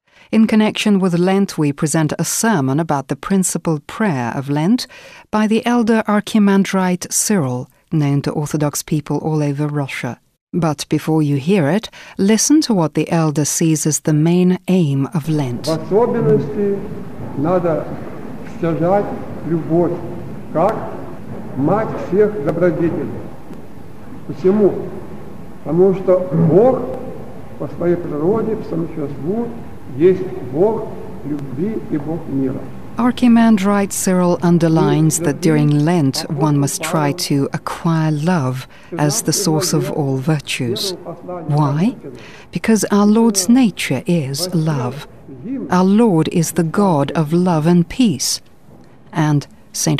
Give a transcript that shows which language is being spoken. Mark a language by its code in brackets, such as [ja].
[en] In connection with Lent, we present a sermon about the principal prayer of Lent by the elder Archimandrite Cyril, known to Orthodox people all over Russia. But before you hear it, listen to what the elder sees as the main aim of Lent. [ru] В особенности надо стяжать любовь. Как мать всех добродетелей. Почему? Потому что Бог по своей природе, по своему существу, есть Бог любви и Бог мира. [en] Archimandrite Cyril underlines that during Lent one must try to acquire love as the source of all virtues. Why? Because our Lord's nature is love. Our Lord is the God of love and peace. And St.